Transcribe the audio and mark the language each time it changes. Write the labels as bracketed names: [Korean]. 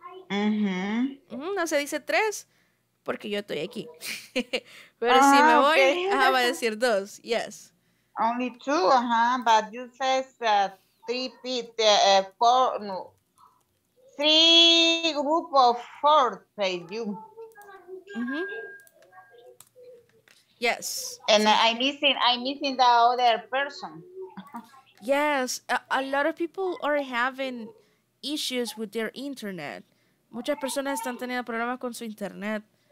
[Spanish] No se dice tres porque yo estoy aquí. Pero si me voy, okay. Va a decir dos. Yes. [English] Only two, but you says three group of four, say you. Yes. And I'm missing the other person. Yes, a lot of people are having issues with their internet. [Spanish] Muchas personas están teniendo problemas con su internet.